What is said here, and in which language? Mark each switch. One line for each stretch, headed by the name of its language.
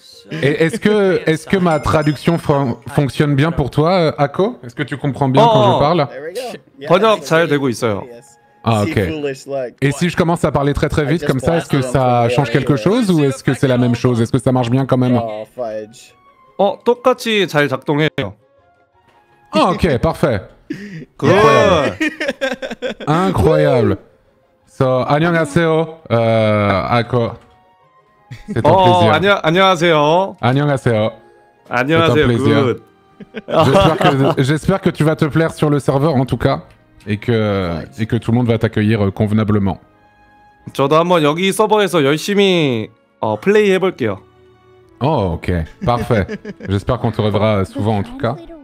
French: Et est-ce que ma traduction fonctionne bien pour toi, Akko? Est-ce que tu comprends bien quand je parle?
English: Oh, yeah,
Korean: 번역 잘 되고 있어요.
French: Ah, ok. Et si je commence à parler très très vite comme ça, est-ce que ça change quelque chose ou est-ce que c'est la même chose? Est-ce que ça marche bien quand même?
Korean: Oh, 똑같이 잘 작동해요.
French: Ah, ok, parfait. Incroyable. So,
Korean: 안녕하세요,
French: Akko. C'est un plaisir.
Korean: 안녕하세요. 안녕하세요. 안녕하세요.
French: C'est un plaisir. J'espère que tu vas te plaire sur le serveur en tout cas et que tout le monde va t'accueillir convenablement.
Korean: 저도 한번 여기 서버에서 열심히 플레이 해볼게요.
French: Oh, ok. Parfait. J'espère qu'on te reverra souvent en tout cas.